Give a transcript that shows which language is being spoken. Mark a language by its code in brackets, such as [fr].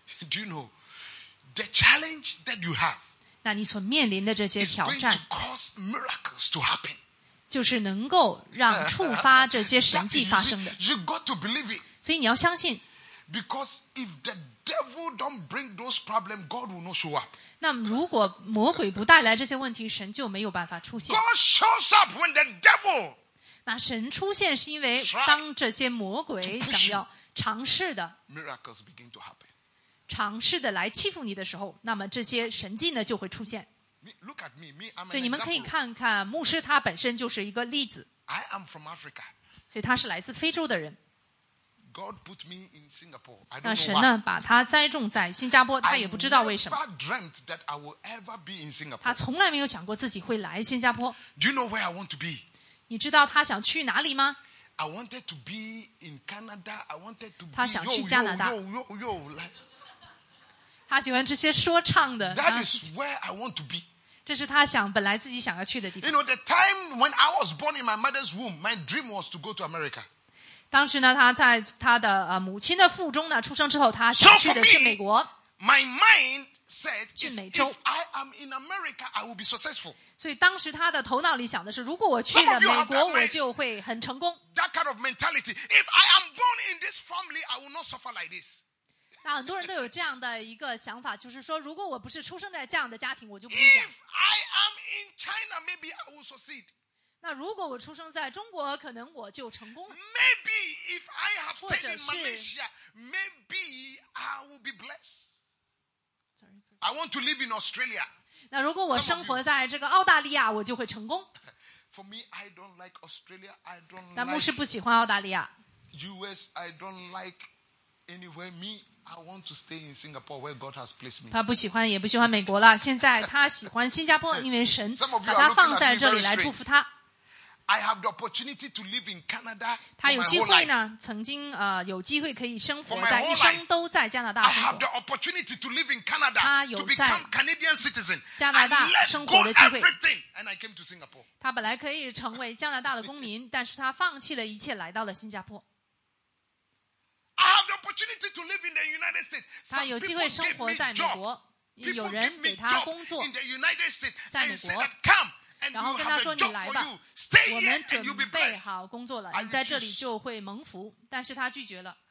[en] Do you know the challenge that you have？ [zh] 那你所面临的这些挑战 [en] ，is going to cause miracles to happen， [zh] 就是能够让触发这些神迹发生的。 [en] You got to believe it。 [zh] 所以你要相信 [en] ，because if the devil devil don't bring those problems, God will not show up. [zh] 那如果魔鬼不带来这些问题，神就没有办法出现。 [en] God shows up when the devil. [zh] 那神出现是因为当这些魔鬼想要尝试的 [en] miracles begin to happen. [zh] 尝试的来欺负你的时候，那么这些神迹呢就会出现。 [en] Look at me, me. [zh] 所以你们可以看看牧师他本身就是一个例子。 [en] I am from Africa. [zh] 所以他是来自非洲的人。 [en] God put me in Singapore. I don't know [zh] 那神呢把他栽种在新加坡他也不知道为什么 [en] I never dreamt that I will ever be in Singapore. [zh] 他从来没有想过自己会来新加坡 [en] Do you know where I want to be? [zh] 你知道他想去哪里吗 [en] I wanted to be in Canada. I wanted to be, [zh] 他想去加拿大 [en] yo, like, [zh] 他喜欢这些说唱的 [en] That is where I want to be. [zh] 这是他想本来自己想要去的地方 [en] You know the time when I was born in my mother's womb, my dream was to go to America. [zh] 当时呢他在他的母亲的腹中呢出生之后他想去的是美国。 [en] My mind said, if I am in America, I will be successful. [zh] 所以当时他的头脑里想的是如果我去了美国我就会很成功。 [en] That kind of mentality. If I am born in this family, I will not suffer like this. [zh] 那很多人都有这样的一个想法就是说如果我不是出生在这样的家庭我就不会这样。 [en] If I am in China, maybe I will succeed. [zh] 那如果我出生在中国，可能我就成功了。 [en] Maybe if I have stayed in Malaysia, maybe I will be blessed. Sorry. I want to live in Australia. [zh] 那如果我生活在这个澳大利亚，我就会成功。 [en] For me, I don't like Australia. I don't like. [zh] 那牧师不喜欢澳大利亚。 [en] US, I don't like anywhere. Me, I want to stay in Singapore where God has placed me. [zh] 他不喜欢，也不喜欢美国了。现在他喜欢新加坡，因为神把他放在这里来祝福他。 [en] I have the opportunity to live in Canada. [zh] 他有机会呢，曾经有机会可以生活在一生都在加拿大。 [en] I have the opportunity to live in Canada. [zh] 他有在 [en] Canadian citizen [zh] 加拿大生活的机会。 [en] Everything, and I came to Singapore. [zh] 他本来可以成为加拿大的公民，但是他放弃了一切，来到了新加坡。 [en] I have the opportunity to live in the United States. [zh] 他有机会生活在美国，有人给他工作。 [en] In the United States, [zh] 在美国 [en] come. [zh] 然后跟他说你来吧我们准备好工作了你在这里就会蒙福但是他拒绝了